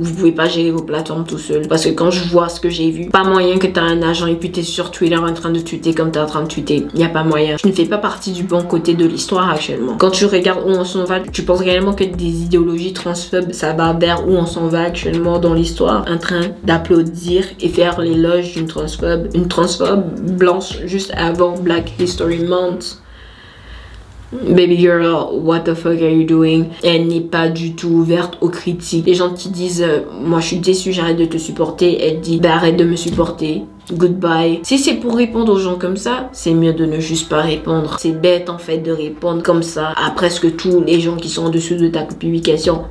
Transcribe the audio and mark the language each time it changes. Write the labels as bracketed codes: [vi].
[fr] Vous pouvez pas gérer vos plateformes tout seul. Parce que quand je vois ce que j'ai vu, pas moyen que t'as un agent et puis t'es sur Twitter en train de tweeter comme t'es en train de tweeter. Y a pas moyen. Tu ne fais pas partie du bon côté de l'histoire actuellement. Quand tu regardes où on s'en va, tu penses réellement que des idéologies transphobes, ça va vers où on s'en va actuellement dans l'histoire, en train d'applaudir et faire l'éloge d'une transphobe. Une transphobe blanche juste avant Black History Month. [en] Baby girl, what the fuck are you doing? [fr] Elle n'est pas du tout ouverte aux critiques. Les gens qui disent, moi je suis déçue, j'arrête de te supporter. Elle dit, bah arrête de me supporter. Goodbye. Si c'est pour répondre aux gens comme ça, c'est mieux de ne juste pas répondre. C'est bête en fait de répondre comme ça à presque tous les gens qui sont en dessous de ta publication.